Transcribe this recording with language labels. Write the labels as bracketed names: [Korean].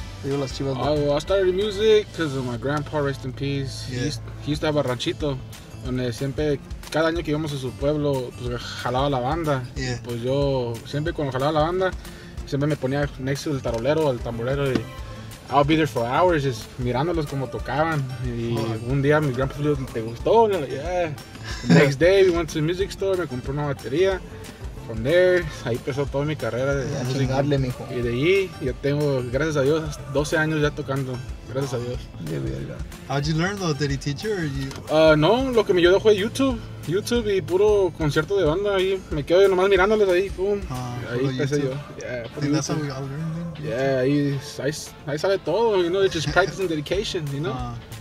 [English] I started music because of my grandpa, rest in peace. Yeah. He used to have a ranchito. [Spanish] Donde siempre, cada año que íbamos a su pueblo, pues jalaba la banda. [English] Yeah. [Spanish] Pues yo, siempre cuando jalaba la banda, siempre me ponía [English] next to [Spanish] el tarolero, el tamborero, y [English] I'll be there for hours, just [Spanish] mirándolos como tocaban. Y un día mi grandpa le dijo, ¿te gustó? Y yo, [English] yeah. Next day, we went to the music store, [Spanish] me compré una batería. [English] From there, [Spanish] ahí empezó toda mi carrera de música. Mijo. Y de ahí, yo tengo, gracias a Dios, 12 años ya tocando. Gracias a Dios. [English] How'd you learn though? Did he teach you or you? [Spanish] No, lo que me ayudó fue YouTube. YouTube y puro concierto de banda ahí. Me quedo nomás mirándoles ahí, boom. Ahí empecé yo. Yeah, [English] and YouTube. That's how we all learn, then? Yeah, [Spanish] ahí sale todo, [English] you know, it's just practice and dedication, you know?